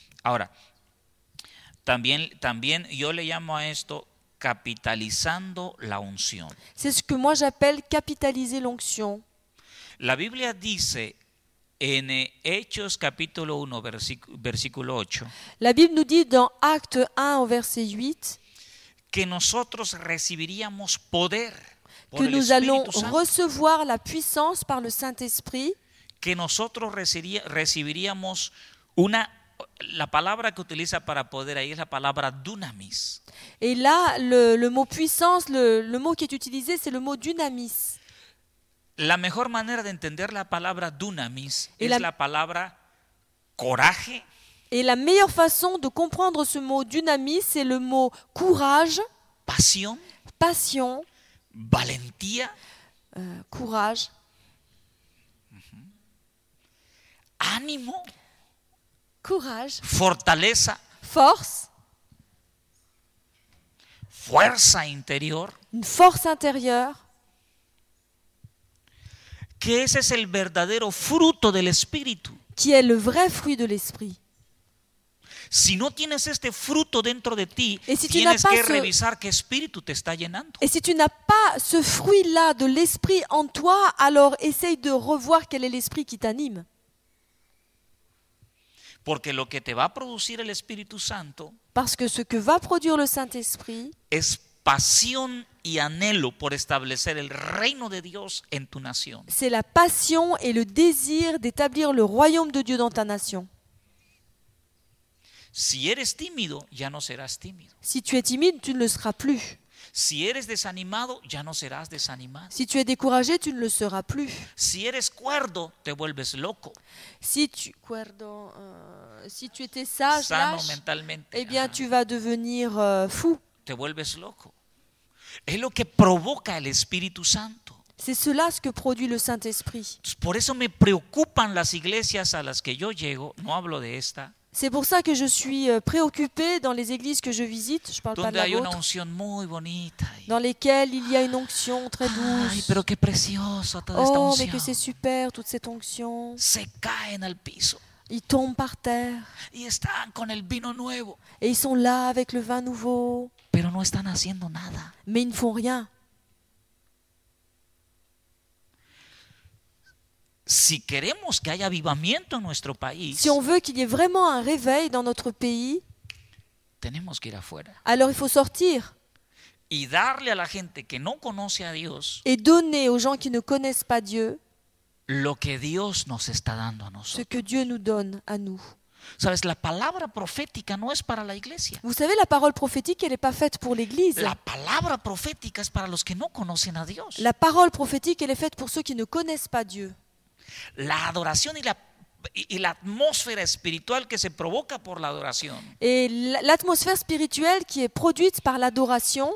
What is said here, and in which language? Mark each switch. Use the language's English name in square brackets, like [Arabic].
[Spanish] Ahora, también yo le llamo a esto capitalizando la unción. [French] C'est ce que moi j'appelle capitaliser l'onction. [Spanish] La Biblia dice en Hechos capítulo 1 versículo 8. [French] La Bible nous dit dans Actes 1 au verset 8 [Spanish] que nosotros recibiríamos poder [French] que nous allons recevoir la puissance par le Saint-Esprit, [Spanish] que nosotros recibiríamos una, la palabra que utiliza para poder ahí es la palabra dunamis. [French] Et là le mot puissance, le mot qui est utilisé, c'est le mot dunamis. [Spanish] La mejor manera de entender la palabra dunamis es la palabra coraje. [French] Et la meilleure façon de comprendre ce mot dunamis, c'est le mot courage, [Spanish] passion, valentía, [French] courage, [Spanish] ánimo, [French] courage, [Spanish] fortaleza, [French] force, [Spanish] fuerza interior, [French] une force intérieure. [Spanish] Que ese es el verdadero fruto del Espíritu. [French] Qui est le vrai fruit de l'esprit. [Spanish] Si no tienes este fruto dentro de ti, tienes que revisar qué espíritu te está llenando. [French] Et si tu n'as pas ce fruit-là de l'esprit en toi, alors essaye de revoir quel est l'esprit qui t'anime. [Spanish] Porque lo que te va a producir el Espíritu Santo, [French] parce que ce que va produire le Saint-Esprit, [Spanish] es pasión y anhelo por establecer el reino de Dios en tu nación. [French] C'est la passion et le désir d'établir le royaume de Dieu dans ta nation. [Spanish] Si eres tímido, ya no serás tímido. [French] Si tu es timide, tu ne le seras plus. [Spanish] Si eres desanimado, ya no serás desanimado. [French] Si tu es découragé, tu ne le seras plus. [Spanish] Si eres cuerdo, te vuelves loco. [French] Si tu cuerdo, si tu étais sage, [Spanish] sano [French] lâche, [Spanish] mentalmente. [French] Eh bien, tu vas devenir fou. [Spanish] Te vuelves loco. Es lo que provoca el Espíritu Santo. [French] C'est cela ce que produit le Saint-Esprit. [Spanish] Por eso me preocupan las iglesias a las que yo llego, no hablo de esta. [French] C'est pour ça que je suis préoccupée dans les églises que je visite, je parle pas de la vôtre. [Spanish] Unción muy bonita. [French] Dans lesquelles il y a une onction très douce. [Spanish] Ay, pero qué precioso toda oh, esta unción. [French] Mais que c'est super toute cette onction. [Spanish] Se caen al piso. [French] Ils tombent par terre. [Spanish] Y están con el vino nuevo. [French] Et ils sont là avec le vin nouveau. [Spanish] Pero no están haciendo nada. [French] Mais ils ne font rien. [Spanish] Si queremos que haya avivamiento en nuestro país, [French] si on veut qu'il y ait vraiment un réveil dans notre pays, [Spanish] tenemos que ir afuera. [French] Alors il faut sortir. [Spanish] Y darle a la gente que no conoce a Dios. [French] Et donner aux gens qui ne connaissent pas Dieu. [Spanish] Lo que Dios nos está dando a nosotros. [French] Ce que Dieu nous donne à nous. [Spanish] Sabes, la palabra profética no es para la iglesia. [French] Vous savez, la parole prophétique, elle n'est pas faite pour l'église. [Spanish] La palabra profética es para los que no conocen a Dios. [French] La parole prophétique, elle est faite pour ceux qui ne connaissent pas Dieu. [Spanish] La adoración y la atmósfera espiritual que se provoca por la adoración. [French] Et l'atmosphère spirituelle qui est produite par l'adoration.